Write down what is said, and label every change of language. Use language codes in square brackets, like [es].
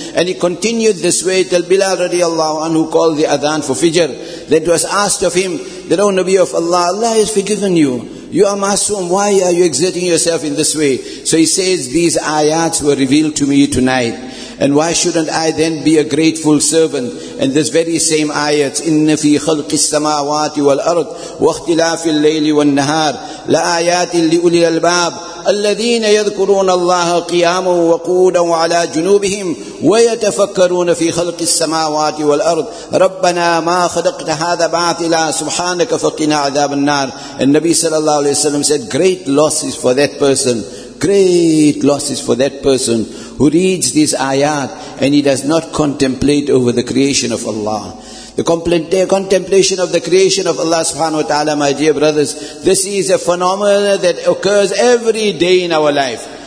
[en] And he continued this way till Bilal radiallahu anhu called the adhan for fijr. Then it was asked of him, that, O Nabi of Allah, Allah has forgiven you. You are masoom. Why are you exerting yourself in this way? So he says, these ayats were revealed to me tonight. And why shouldn't I then be a grateful servant? [ar] And this very same ayat, إِنَّ فِي خَلْقِ السَّمَاوَاتِ وَالْأَرْضِ وَاخْتِلَافِ اللَّيْلِ وَالنَّهَارِ لَآيَاتٍ لِأُولِي الْأَلْبَابِ الَّذِينَ يَذْكُرُونَ اللَّهَ قِيَامًا وَقُودًا وَعَلَى جُنُوبِهِمْ وَيَتَفَكَّرُونَ فِي خَلْقِ السَّمَاوَاتِ وَالْأَرْضِ رَبَّنَا مَا خَلَقْتَ هَذَا بَاطِلًا سُبْحَانَكَ فَقِنَا عَذَابَ النَّارِ. [en] And Nabi sallallahu alayhi wa sallam said, great loss is for that person. Great loss is for that person who reads this ayat and he does not contemplate over the creation of Allah. The contemplation of the creation of Allah subhanahu wa ta'ala, my dear brothers, this is a phenomenon that occurs every day in our life.